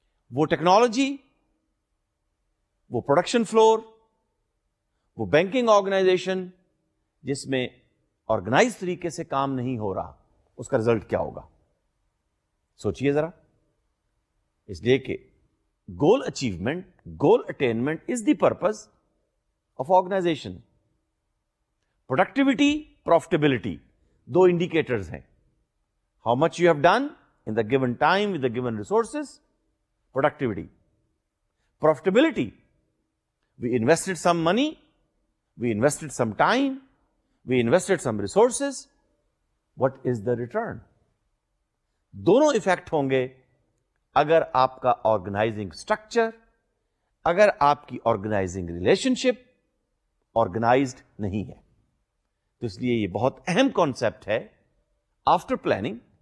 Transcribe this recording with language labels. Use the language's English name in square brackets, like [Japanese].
[Urdu] وہ ٹیکنالوجی وہ production floor وہ بینکنگ آرگنائزیشن جس میں آرگنائز طریقے سے کام نہیں ہو رہا اس کا رزلٹ کیا ہوگا سوچئے ذرا اس لیے کہ [English] Goal achievement, goal attainment is the purpose of organization. Productivity, profitability, two indicators hain. How much you have done in the given time with the given resources, productivity. Profitability, we invested some money, we invested some time, we invested some resources. What is the return? [Urdu] Dono effect honge. اگر آپ کا organising structure اگر آپ کی organising relation شپ organized نہیں ہے تو اس لیے یہ بہت اہم کانسیپٹ ہے آفٹر پلاننگ